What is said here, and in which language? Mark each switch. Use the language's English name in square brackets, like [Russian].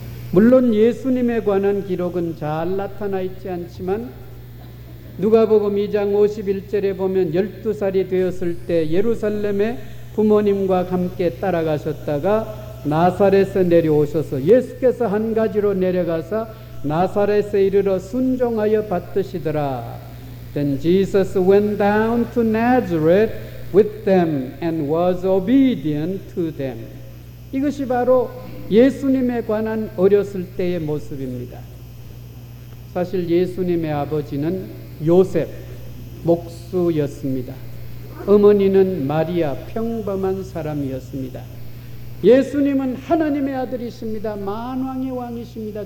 [Korean] 물론 예수님에 관한 기록은 잘 나타나 있지 않지만 누가복음 2장 51절에 보면 12살이 되었을 때 예루살렘에 부모님과 함께 따라가셨다가 나사렛에서 내려오셔서 예수께서 한 가지로 내려가서 나사렛에 이르러 순종하여 받으시더라. [English] Then Jesus went down to Nazareth with them and was obedient to them. [Korean] 이것이 바로 예수님에 관한 어렸을 때의 모습입니다. 사실 예수님의 아버지는 요셉, 목수였습니다. 어머니는 마리아, 평범한 사람이었습니다. 예수님은 하나님의 아들이십니다. 만왕의 왕이십니다.